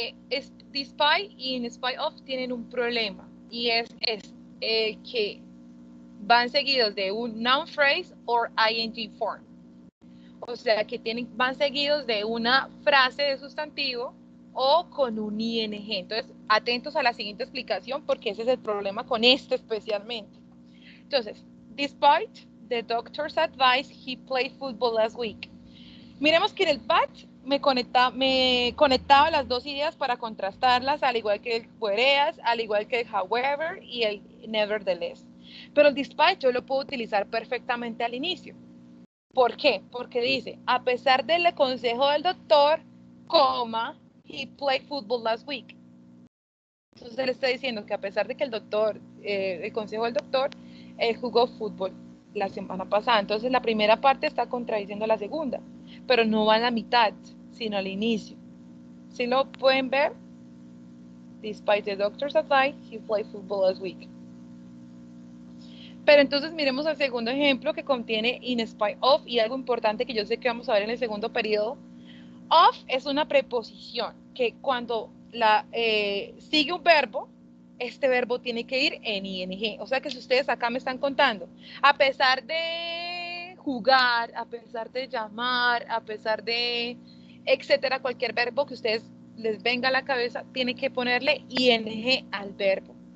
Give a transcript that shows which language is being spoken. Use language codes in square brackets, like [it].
[es] Es despite y in spite of tienen un problema y es que van seguidos de un [en] noun phrase or ing form. [es] O sea, que van seguidos de una frase de sustantivo o con un ing. Entonces, atentos a la siguiente explicación porque ese es el problema con esto especialmente. [en] Entonces, despite the doctor's advice, he played football last week. [es] Miremos que en el but me conectaba las dos ideas para contrastarlas, al igual que el whereas, al igual que el however y el nevertheless. Pero el despite yo lo puedo utilizar perfectamente al inicio. ¿Por qué? Porque dice, a pesar del consejo del doctor, coma, [en] he played football last week. [es] Entonces le está diciendo que a pesar de que el doctor, el consejo del doctor, jugó fútbol la semana pasada. Entonces la primera parte está contradiciendo la segunda, pero no va a la mitad, sino al inicio. ¿Sí lo pueden ver? [en] Despite the doctor's advice, he played football last week. [es] Pero entonces miremos el segundo ejemplo que contiene in spite of y algo importante que yo sé que vamos a ver en el segundo periodo. Of es una preposición que cuando sigue un verbo, este verbo tiene que ir en ing. O sea que si ustedes acá me están contando, a pesar de jugar, a pesar de llamar, a pesar de etcétera, cualquier verbo que ustedes les venga a la cabeza, tiene que ponerle ing al verbo.